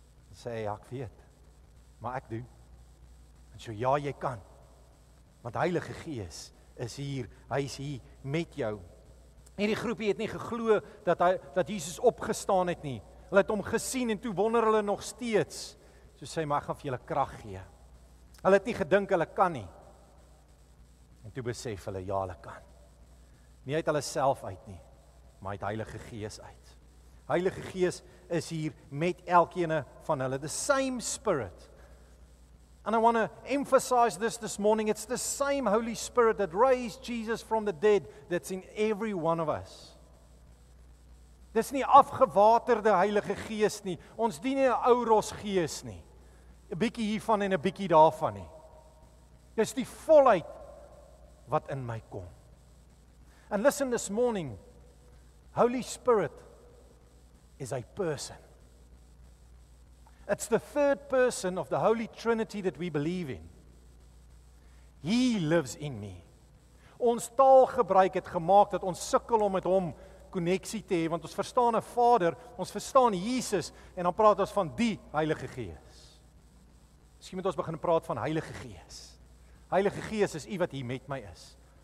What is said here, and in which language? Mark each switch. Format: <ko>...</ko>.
<af>En sê, ja, ek weet, maar ek doen. En so, ja, jy kan, want Heilige Gees is hier, hy is hier met jou. En die groepie het nie geglo dat Jesus opgestaan het nie. Hulle het hom gesien en toe wonder hulle nog steeds. So sê, maar ek gaan vir julle krag gee. Hulle het nie gedink hulle kan nie. En toe besef hulle, ja, hulle kan. Nie uit hulle self uit nie, maar uit Heilige Gees uit. Heilige Gees is hier met elkeen van hulle.</af> <en>The same Spirit. And I want to emphasize this morning. It's the same Holy Spirit that raised Jesus from the dead that's in every one of us.</en> <af>Dis nie afgewaterde Heilige Gees nie. Ons dien nie 'n ou ros gees nie. 'N bietjie hiervan en 'n bietjie daarvan nie. Dis die volheid wat in my kom.</af> <en>And listen this morning. Holy Spirit is a person. It's the third person of the Holy Trinity that we believe in. He lives in me.</en> <af>Ons taalgebruik het gemaak dat ons sukkel om met hom koneksie te hê, want ons verstaan 'n Vader, ons verstaan Jesus, en dan praat ons van die Heilige Gees. Miskien moet ons begin praat van Heilige Gees. Heilige Gees is U wat hier met my is.</af>